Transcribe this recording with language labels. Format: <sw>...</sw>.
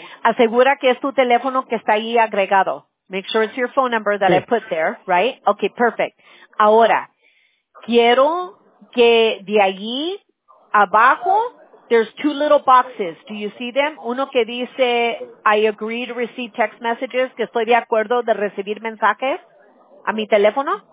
<es>Asegura que es tu teléfono que está ahí agregado.</es> <en>Make sure it's your phone number that I put there, right? Okay, perfect.</en> <es>Ahora, quiero que de allí abajo,</es> <en>there's 2 little boxes. Do you see them?</en> <es>Uno que dice,</es> <en>I agree to receive text messages,</en> <es>que estoy de acuerdo de recibir mensajes a mi teléfono.</es>